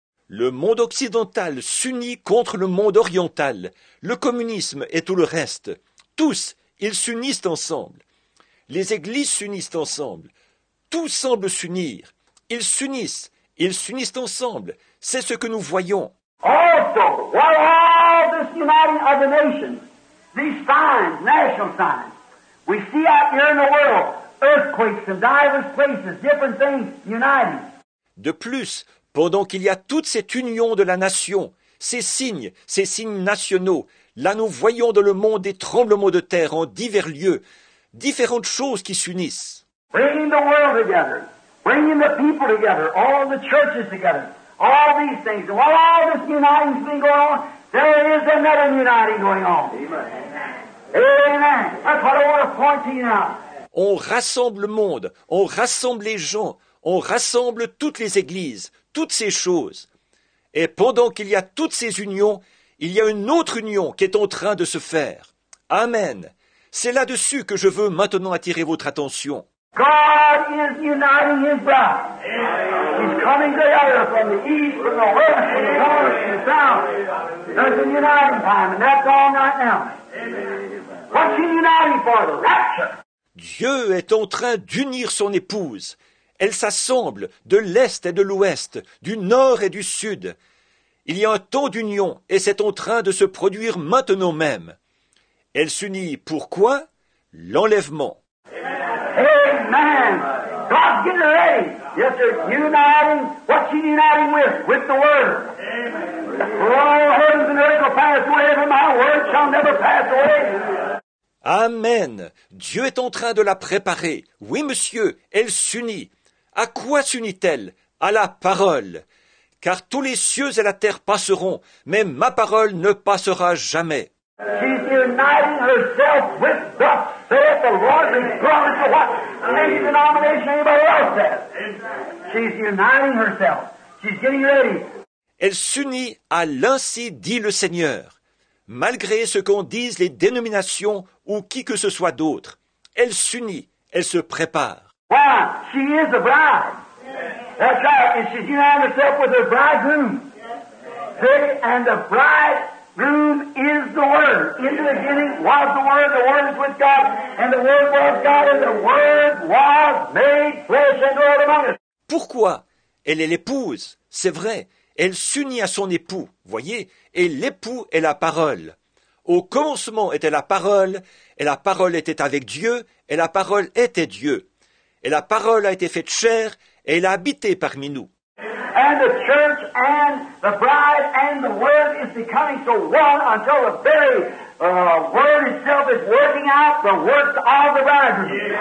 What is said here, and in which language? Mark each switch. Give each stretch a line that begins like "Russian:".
French: Le monde occidental s'unit contre le monde oriental, le communisme et tout le reste. Tous, ils s'unissent ensemble. Les églises s'unissent ensemble. Tout semble s'unir. Ils s'unissent ensemble. C'est ce que nous voyons.
English: Also, while all this uniting of the nations, these signs, national signs, we see out here in the world, earthquakes in diverse places, different things uniting.
French: De plus, pendant qu'il y a toute cette union de la nation, ces signes nationaux, là nous voyons dans le monde des tremblements de terre en divers lieux, différentes choses qui s'unissent.
English: Bringing the world together, bringing the people together, all the churches together, all these things. And while all this uniting has been going on, there is another uniting going on. Amen. Amen. That's what I want to point to you now.
French: On rassemble le monde, on rassemble les gens, on rassemble toutes les églises, toutes ces choses. Et pendant qu'il y a toutes ces unions, il y a une autre union qui est en train de se faire. Amen. C'est là-dessus que je veux maintenant attirer votre attention.
English: God is uniting his bride. He's coming together from the east, from the west, from the north, from the south. There's a uniting time, and that's all right now. What's he uniting for? The rapture.
French: Dieu est en train d'unir son épouse. Elle s'assemble de l'est et de l'ouest, du nord et du sud. Il y a un temps d'union et c'est en train de se produire maintenant même. Elle s'unit pourquoi? L'enlèvement.
English: Amen. God's getting ready. Yes, sir. Uniting. What's he uniting with? With the word. Amen. All heavens and earth will pass away, but my word shall never pass away. Amen.
French: Dieu est en train de la préparer. Oui, monsieur, elle s'unit. À quoi s'unit-elle? À la parole. Car tous les cieux et la terre passeront, mais ma parole ne passera jamais.
English: She's uniting herself with the saith the Lord and promise of what any denomination anybody else says. She's uniting herself. She's getting ready.
French: Elle s'unit à l'ainsi dit le Seigneur. Malgré ce qu'en disent les dénominations ou qui que ce soit d'autre, elle s'unit, elle se prépare.
English: Why? She is a bride. That's right. And she's united herself with her bridegroom. See? And the bridegroom is the Word. In the beginning was the Word is with God, and the Word was God, and the Word was made flesh and dwelt among us.
French: Pourquoi? Elle est l'épouse, c'est vrai. Elle s'unit à son époux, voyez, et l'époux est la parole. Au commencement était la parole était avec Dieu, et la parole était Dieu. Et la parole a été faite chair, et elle a habité parmi nous.
English: And the church and the bride and the word is becoming so one until the very word itself is working out the works of the bridegroom.